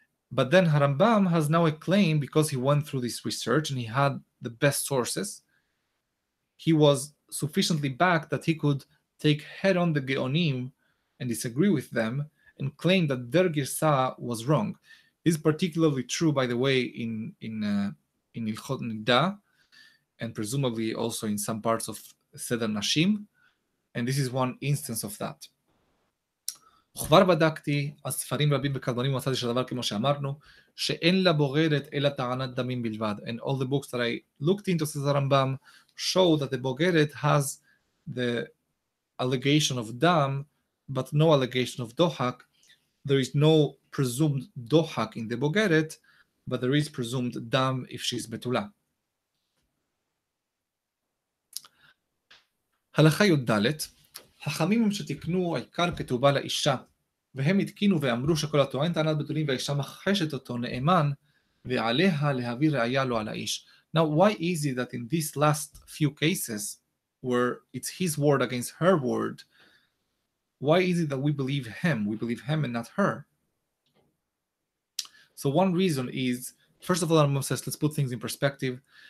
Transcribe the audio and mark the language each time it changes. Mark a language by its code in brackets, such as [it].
[en] But then Rambam has now a claim, because he went through this research and he had the best sources, he was sufficiently backed that he could take head on the Geonim and disagree with them and claim that their Girsa was wrong. This is particularly true, by the way, in Ilchot Nida, and presumably also in some parts of Seder Nashim. And this is one instance of that. [he] וכבר בדקתי הספרים רבים וקדמונים ומצאתי שהדבר כמו שאמרנו, שאין לה בוגרת אלא טענת דמים בלבד. [en] And all the books that I looked into, says Rambam, show that the בוגרת has the allegation of dam, but no allegation of דוחק. There is no presumed דוחק in the בוגרת, but there is presumed dam if she is בתולה. [he] הלכה י"ד. חכמים הם שתקנו העיקר כתובה לאישה, והם התקינו ואמרו שכל הטוען טענת בתולין והאישה מחשת אותו נאמן, ועליה להביא ראיה לו על האיש. [en] Now, why is it that in these last few cases, where it's his word against her word, why is it that we believe him? We believe him and not her. So one reason is, first of all, Rambam says, let's put things in perspective.